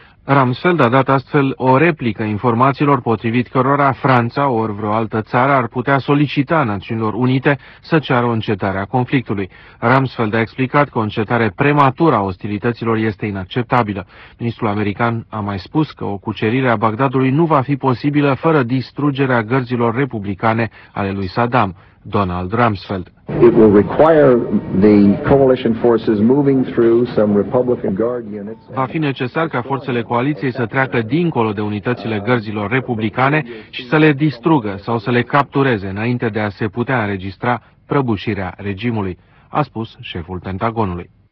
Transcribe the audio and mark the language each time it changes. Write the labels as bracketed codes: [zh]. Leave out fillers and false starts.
[ro] Rumsfeld a dat astfel o replică informațiilor potrivit cărora Franța, ori vreo altă țară, ar putea solicita Națiunilor Unite să ceară o încetare a conflictului. Rumsfeld a explicat că o încetare prematură a ostilităților este inacceptabilă. Ministrul american a mai spus că o cucerire a Bagdadului nu va fi posibilă fără distrugerea gărzilor republicane ale lui Saddam, Donald Rumsfeld. [en] It will require the coalition forces moving through some Republican Guard units. [ro] Va fi necesar ca forțele coaliției să treacă dincolo de unitățile gărzilor republicane și să le distrugă sau să le captureze înainte de a se putea înregistra prăbușirea regimului, a spus șeful Pentagonului.